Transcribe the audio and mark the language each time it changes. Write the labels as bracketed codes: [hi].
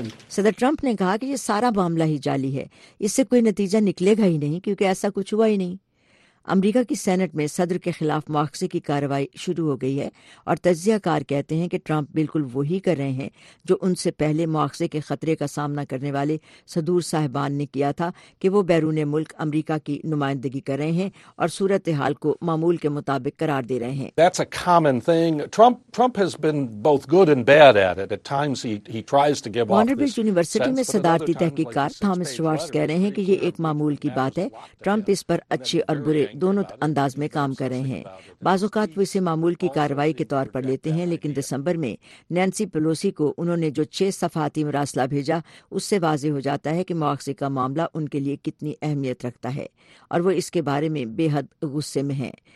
[ur] صدر ٹرمپ نے کہا کہ یہ سارا معاملہ ہی جعلی ہے، اس سے کوئی نتیجہ نکلے گا ہی نہیں، کیونکہ ایسا کچھ ہوا ہی نہیں۔ امریکہ کی سینٹ میں صدر کے خلاف مواخذے کی کارروائی شروع ہو گئی ہے، اور تجزیہ کار کہتے ہیں کہ ٹرمپ بالکل وہی کر رہے ہیں جو ان سے پہلے مواخذے کے خطرے کا سامنا کرنے والے صدور صاحبان نے کیا تھا، کہ وہ بیرون ملک امریکہ کی نمائندگی کر رہے ہیں اور صورتحال کو معمول کے مطابق قرار دے رہے ہیں۔ [en] That's a common thing. Trump has been both good and bad at it. At times he tries to give off this sense. [ur] وانڈربلٹ university میں صدارتی تحقیق کار تھامس شوارٹز کہہ رہے ہیں کہ یہ ایک معمول کی بات ہے، ٹرمپ اس پر اچھے اور برے دونوں انداز میں کام کر رہے ہیں. بعض اوقات وہ اسے معمول کی کارروائی کے طور پر لیتے ہیں, لیکن دسمبر میں نینسی پیلوسی کو انہوں نے جو 6 صفحاتی مراسلہ بھیجا اس سے واضح ہو جاتا ہے کہ مواخذے کا معاملہ ان کے لیے کتنی اہمیت رکھتا ہے اور وہ اس کے بارے میں بے حد غصے میں ہیں.